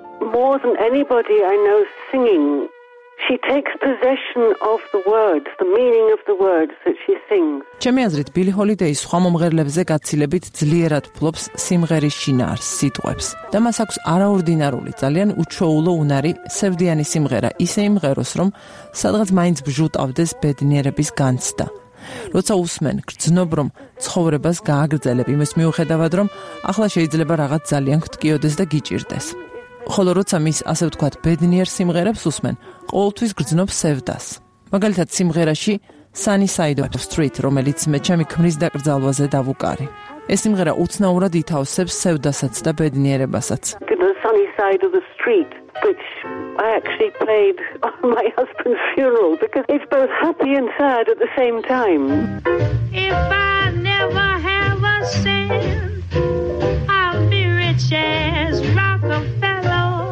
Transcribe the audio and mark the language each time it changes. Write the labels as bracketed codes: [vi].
[en] More than anybody I know singing, she takes possession of the words, the meaning of the words that she sings. [ka] ჩემი აზრით, ბილი ჰოლიდეი სხვა მომღერლებზე გაცილებით ძლიერად ფლობს სიმღერის შინაარს, სიტყვებს. და მას აქვს არაორდინარული, ძალიან უჩვეულო უნარი, სევდიანი სიმღერა, ისე იმღეროს, რომ სადღაც მაინც ბჟუტავდეს ბედნიერების განცდა. როცა უსმენ, გრძნობ, რომ ცხოვრებას გააგრძელებ, იმის მიუხედავად, რომ ახლა შეიძლება რაღაც ძალიან გტკიოდეს და გიჭირდეს. ხოლო როცა მის, ასე ვთქვათ, ბედნიერ სიმღერებს უსმენ, ყოველთვის გრძნობ სევდას. მაგალითად, სიმღერაში Sunny Side of the Street, რომელიც მე ჩემი ქმრის დაკრძალვაზე დავუკარი. ეს სიმღერა უცნაურად ითავსებს სევდასაც და ბედნიერებასაც. [en] Sunny Side of the Street, which I actually played on my husband's funeral because it's both happy and sad at the same time. If I never have a cent, I'll be rich as Rockefeller.